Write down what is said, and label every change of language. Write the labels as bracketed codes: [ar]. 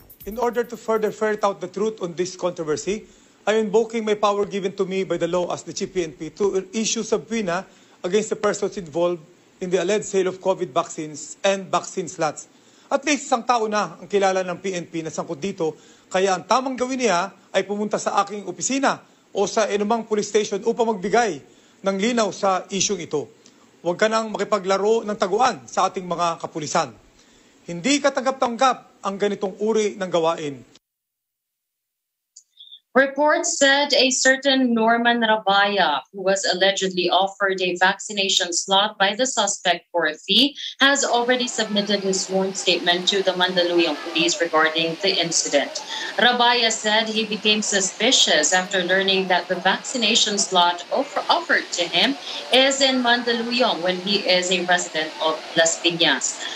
[en] In order to further ferret out the truth on this controversy, I am invoking my power given to me by the law as the Chief PNP to issue subpoena against the persons involved in the alleged sale of COVID vaccines and vaccine slots. [tl] At least isang tao na ang kilala ng PNP na sangkot dito, kaya ang tamang gawin niya ay pumunta sa aking opisina o sa anumang police station upang magbigay ng linaw sa isyung ito. Huwag ka nang makipaglaro ng taguan sa ating mga kapulisan. Hindi katanggap-tanggap ang ganitong uri ng gawain. [en] Reports said a certain Norman Rabaya, who was allegedly offered a vaccination slot by the suspect for a fee, has already submitted his sworn statement to the Mandaluyong police regarding the incident. Rabaya said he became suspicious after learning that the vaccination slot offered to him is in Mandaluyong when he is a resident of Las Piñas.